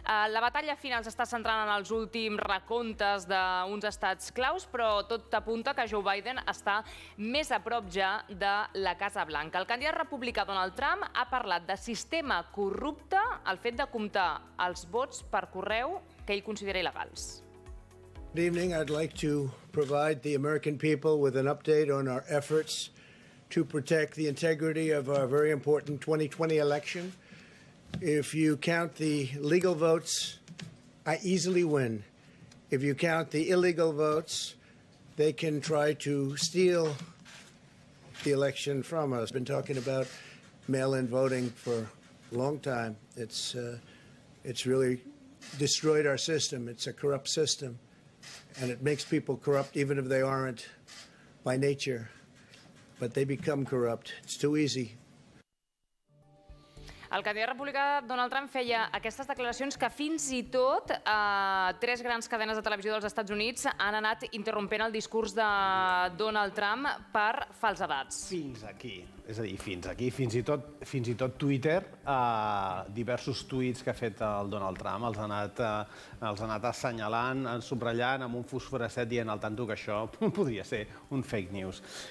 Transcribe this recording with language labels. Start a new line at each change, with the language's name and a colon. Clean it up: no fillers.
Catalan: La batalla final s'està centrant en els últims recomptes d'uns estats claus, però tot apunta que Joe Biden està més a prop ja de la Casa Blanca. El candidat republicà Donald Trump ha parlat de sistema corrupte, el fet de comptar els vots per correu que ell considera il·legals.
English: Good evening. I'd like to provide the American people with an update on our efforts to protect the integrity of our very important 2020 election. If you count the legal votes, I easily win. If you count the illegal votes, they can try to steal the election from us. I've been talking about mail-in voting for a long time. It's really destroyed our system. It's a corrupt system, and it makes people corrupt even if they aren't by nature, but they become corrupt. It's too easy.
Catalan: El candidat republicà Donald Trump feia aquestes declaracions que fins i tot 3 grans cadenes de televisió dels Estats Units han anat interrompent el discurs de Donald Trump per falsedats. Fins aquí. És a dir, fins aquí. Fins i tot Twitter, diversos tuits que ha fet el Donald Trump els ha anat assenyalant, subratllant amb un fosforescet dient al tanto que això podria ser un fake news.